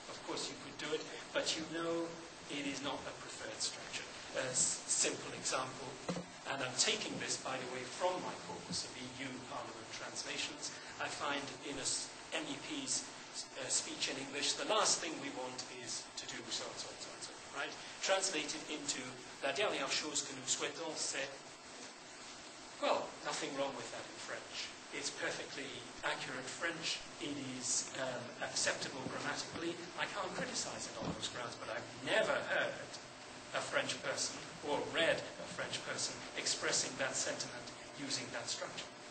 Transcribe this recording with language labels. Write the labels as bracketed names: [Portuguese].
[English] Of course, you could do it, but you know it is not a preferred structure. A simple example, and I'm taking this, by the way, from my corpus of EU Parliament translations. I find in a MEP's speech in English, the last thing we want is to do so and so and so and so, right? Translated into [French] la dernière chose que nous souhaitons, c'est... [English] Well, nothing wrong with that in French. It's perfectly accurate French. It is acceptable grammatically. I can't criticize it on those grounds, but I've never heard a French person or read a French person expressing that sentiment using that structure.